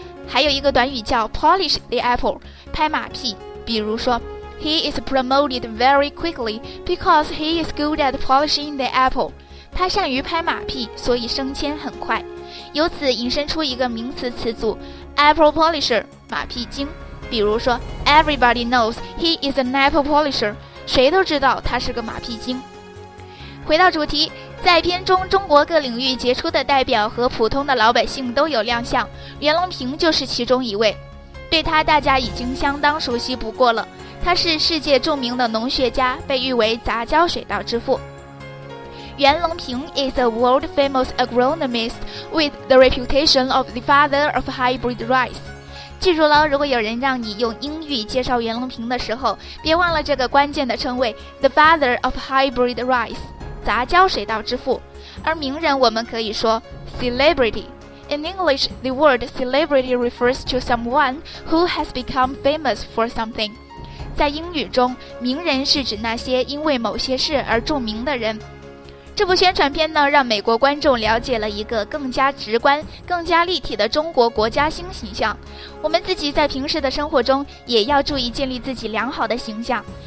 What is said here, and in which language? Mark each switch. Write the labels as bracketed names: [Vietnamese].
[Chinese] 还有一个短语叫 [English] Polish the apple， [Chinese] 拍马屁，比如说 [English] He is promoted very quickly because he is good at polishing the apple。 [Chinese] 他善于拍马屁，所以升迁很快。由此引申出一个名词词组 Apple polisher， 马屁精，比如说 [English] Everybody knows he is an apple polisher， [Chinese] 谁都知道他是个马屁精。回到主题，在片中中国各领域杰出的代表和普通的老百姓都有亮相，袁隆平就是其中一位，对他大家已经相当熟悉不过了。他是世界著名的农学家，被誉为杂交水稻之父。 [English] 袁隆平 is a world famous agronomist with the reputation of the father of hybrid rice。 [Chinese] 记住了，如果有人让你用英语介绍袁隆平的时候，别忘了这个关键的称谓 [English] the father of hybrid rice， [Chinese] 杂交水稻之父。而名人我们可以说 celebrity。 [English] In English, the word celebrity refers to someone who has become famous for something。 [Chinese] 在英语中，名人是指那些因为某些事而著名的人。这部宣传片呢，让美国观众了解了一个更加直观、更加立体的中国国家新形象。我们自己在平时的生活中也要注意建立自己良好的形象。